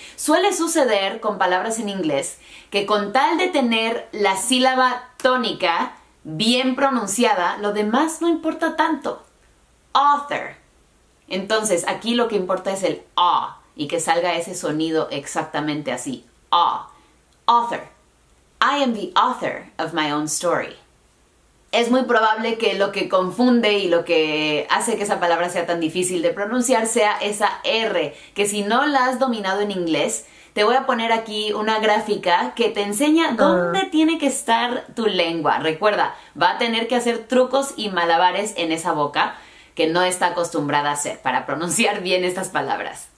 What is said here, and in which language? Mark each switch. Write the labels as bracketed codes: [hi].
[es] Suele suceder con palabras en inglés que con tal de tener la sílaba tónica bien pronunciada, lo demás no importa tanto. Author. Entonces, aquí lo que importa es el A y que salga ese sonido exactamente así. [en] A. Author. I am the author of my own story. [es] Es muy probable que lo que confunde y lo que hace que esa palabra sea tan difícil de pronunciar sea esa R, que si no la has dominado en inglés, te voy a poner aquí una gráfica que te enseña dónde tiene que estar tu lengua. Recuerda, va a tener que hacer trucos y malabares en esa boca que no está acostumbrada a hacer para pronunciar bien estas palabras.